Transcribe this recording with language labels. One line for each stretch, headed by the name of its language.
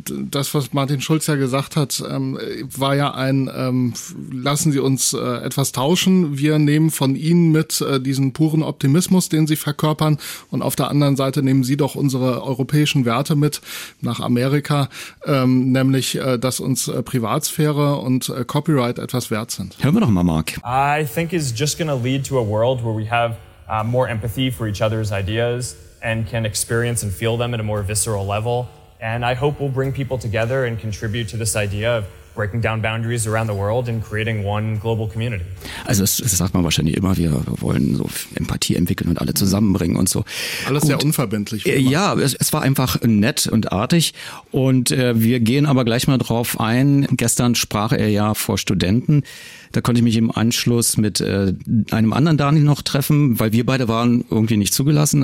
German: Das, was Martin Schulz ja gesagt hat, war ja ein, lassen Sie uns etwas tauschen. Wir nehmen von Ihnen mit diesen puren Optimismus, den sie verkörpern. Und auf der anderen Seite nehmen sie doch unsere europäischen Werte mit nach Amerika, nämlich, dass uns Privatsphäre und Copyright etwas wert sind. Hören wir doch mal, Mark.
English: I think it's just going to lead to a world where we have more empathy for each other's ideas and can experience and feel them at a more visceral level. And I hope we'll bring people together and contribute to this idea of breaking down boundaries around the world and creating one global community.
German: Also das sagt man wahrscheinlich immer, wir wollen so Empathie entwickeln und alle zusammenbringen und so. Alles gut. Sehr unverbindlich. Ja, es war einfach nett und artig und wir gehen aber gleich mal drauf ein. Gestern sprach er ja vor Studenten. Da konnte ich mich im Anschluss mit einem anderen Daniel noch treffen, weil wir beide waren irgendwie nicht zugelassen.